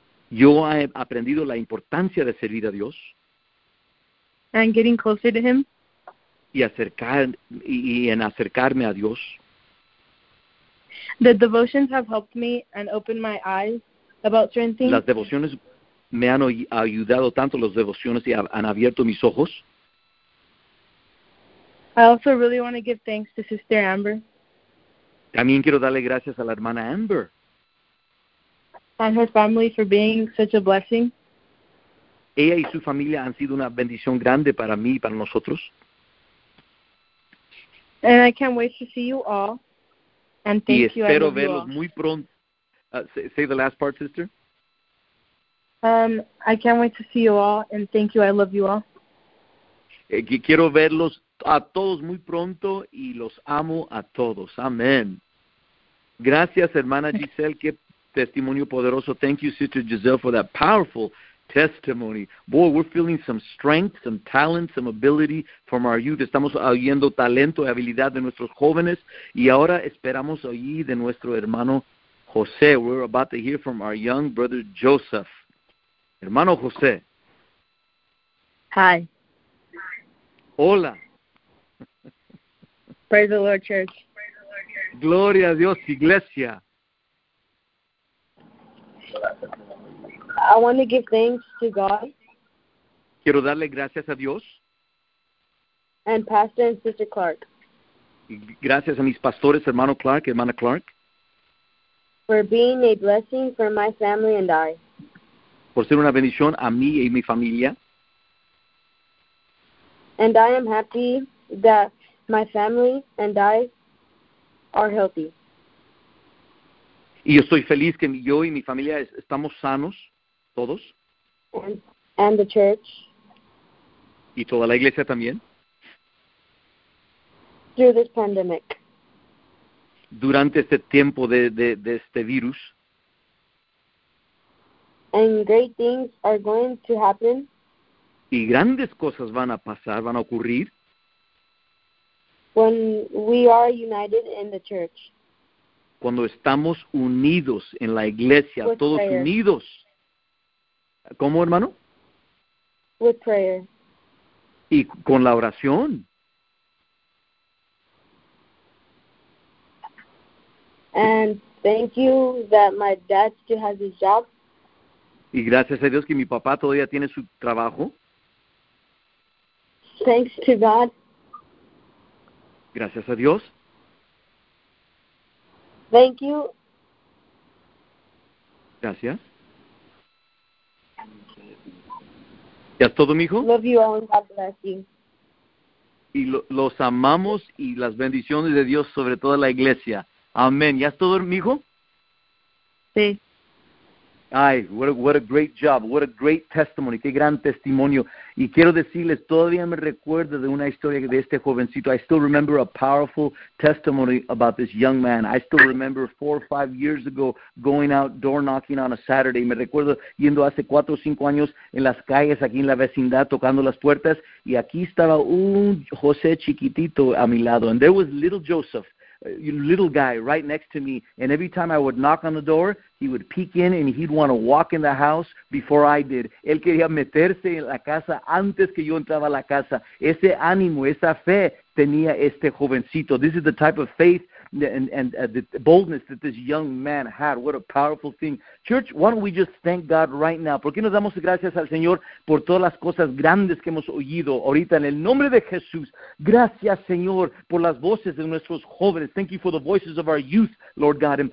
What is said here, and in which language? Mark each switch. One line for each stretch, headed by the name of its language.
Spanish: Yo he aprendido la importancia de servir a Dios.
English: And getting closer to Him.
Spanish: Y en acercarme a Dios.
English: The devotions have helped me and opened my eyes about certain things.
Spanish: Las devociones me han ayudado tanto, las devociones y han abierto mis ojos.
English: I also really want to give thanks to Sister Amber.
Spanish: También quiero darle gracias a la hermana Amber.
English: And her family for being such a blessing.
Spanish: Ella y su familia han sido una bendición grande para mí y para nosotros.
English: And I can't wait to see you all. And thank
Spanish: y
English: you,
Spanish: espero
English: I love
Spanish: verlos
English: you all.
Spanish: Muy pronto.
English: Say the last part, sister. I can't wait to see you all. And thank you, I love you all.
Spanish: Quiero verlos a todos muy pronto y los amo a todos. Amén. Gracias, hermana Giselle. Qué testimonio poderoso.
English: Thank you, Sister Giselle, for that powerful testimony. Boy, we're feeling some strength, some talent, some ability from our youth.
Spanish: Estamos oyendo talento y habilidad de nuestros jóvenes. Y ahora esperamos oír de nuestro hermano José.
English: We're about to hear from our young brother Joseph.
Spanish: Hermano José.
English: Hi.
Spanish: Hola.
English: Praise the Lord, Church.
Spanish: Gloria a Dios, Iglesia.
English: I want to give thanks to God.
Spanish: Quiero darle gracias a Dios.
English: And Pastor and Sister Clark.
Spanish: Gracias a mis pastores, hermano Clark, hermana Clark.
English: For being a blessing for my family and I.
Spanish: Por ser una bendición a mí y mi familia.
English: And I am happy that my family and I are healthy.
Spanish: Y yo estoy feliz que yo y mi familia estamos sanos. Todos.
English: And the church.
Spanish: Y toda la iglesia también.
English: Through this pandemic.
Spanish: durante este tiempo de este virus.
English: And great things are going to happen.
Spanish: Y grandes cosas van a pasar, van a ocurrir.
English: When we are united in the church.
Spanish: Cuando estamos unidos en la iglesia,
English: with
Spanish: todos
English: prayer.
Spanish: Unidos. ¿Cómo, hermano?
English: With prayer.
Spanish: Y con la oración.
English: And thank you that my dad still has his job.
Spanish: Y gracias a Dios que mi papá todavía tiene su trabajo.
English: Thanks to God.
Spanish: Gracias a Dios.
English: Thank you.
Spanish: Gracias. ¿Ya es todo, mijo?
English: Love you all and God bless you.
Spanish: Y los amamos y las bendiciones de Dios sobre toda la iglesia. Amén. ¿Ya es todo, mijo? Sí.
English: Ay, what a great job, what a great testimony,
Spanish: qué gran testimonio. Y quiero decirles, todavía me recuerdo de una historia de este jovencito. I still remember a powerful testimony about this young man.
English: I still remember 4 or 5 years ago going out door knocking on a Saturday.
Spanish: Me recuerdo yendo hace 4 or 5 años en las calles aquí en la vecindad tocando las puertas. Y aquí estaba un José chiquitito a mi lado.
English: And there was little Joseph. Little guy right next to me, and every time I would knock on the door, he would peek in and he'd want to walk in the house before I did.
Spanish: Él quería meterse en la casa antes que yo entraba a la casa. Ese ánimo, esa fe tenía este jovencito.
English: This is the type of faith and the boldness that this young man had. What a powerful thing. Church, why don't we just thank God right now?
Spanish: ¿Por qué nos damos gracias al Señor por todas las cosas grandes que hemos oído ahorita en el nombre de Jesús? Gracias, Señor, por las voces de nuestros jóvenes.
English: Thank you for the voices of our youth, Lord God.